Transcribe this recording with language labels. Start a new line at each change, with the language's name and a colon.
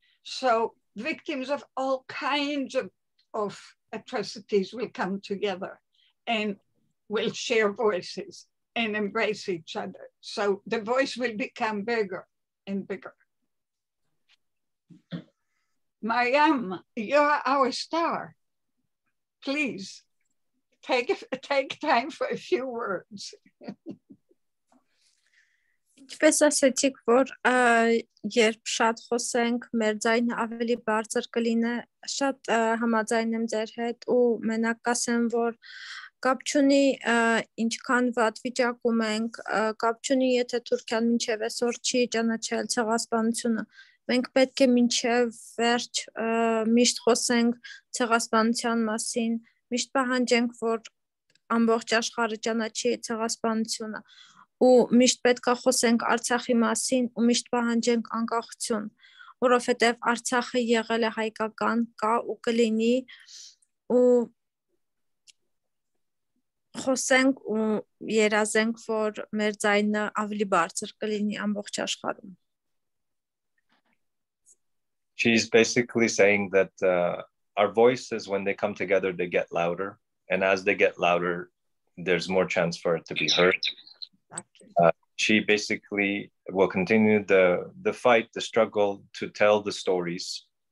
English: So victims of all kinds of atrocities will come together and will share voices and embrace each other. So the voice will become bigger and bigger. Mariam, you're our star. Please take time for a few words.
Armenian: Ինչպես ասեցիք, որ երբ շատ խոսենք, մեր ձայնը ավելի բարձր կլինի, շատ համաձայն եմ ձեր հետ ու մենակ ասեմ, որ կապ չունի ինչքան վատ վիճակում ենք, կապ չունի եթե Թուրքիան մինչև այսօր չի ճանաչել ցեղասպանությունը, մենք պետք է մինչև վերջ միշտ խոսենք ցեղասպանության մասին, միշտ պահանջենք, որ ամբողջ աշխարհը ճանաչի ցեղասպանությունը, ու միշտ պետք է խոսենք Արցախի մասին ու միշտ պահանջենք անկախություն, որովհետև Արցախը եղել է հայկական, կա ու կլինի, ու խոսենք ու երազենք, որ մեր ձայնը ավելի բարձր կլինի ամբողջ աշխարհում.
English: She's basically saying that our voices, when they come together, they get louder, and as they get louder, there's more chance for it to be heard. She basically will continue the fight, the struggle to tell the stories.